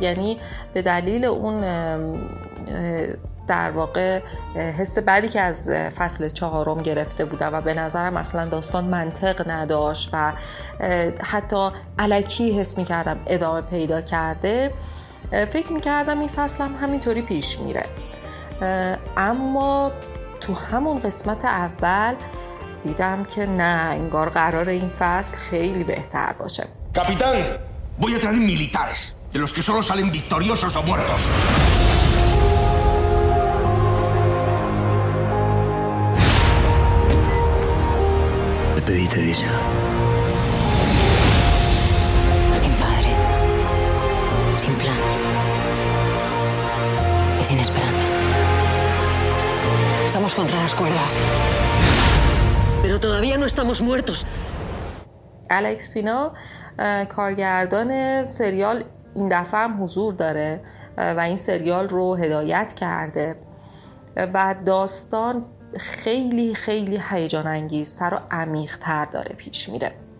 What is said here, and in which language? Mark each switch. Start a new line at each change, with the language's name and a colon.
Persian: یعنی به دلیل اون در واقع حس بعدی که از فصل چهارم گرفته بودم و به نظرم اصلا داستان منطق نداشت و حتی الکی حس میکردم ادامه پیدا کرده، فکر میکردم این فصل هم همینطوری پیش میره. اما تو همون قسمت اول دیدم که نه، انگار قراره این فصل خیلی بهتر باشه.
Spanish: کاپیتان، voy a traer militares de los que solo salen victoriosos o muertos. Te pedí te dije. Sin padre. Sin plan. Y sin esperanza. Estamos contra las cuerdas. Pero todavía no estamos muertos.
Persian: Alex Pino, کارگردان سریال این دفعه هم حضور داره و این سریال رو هدایت کرده و داستان خیلی خیلی هیجان انگیزتر و عمیق‌تر داره پیش میره.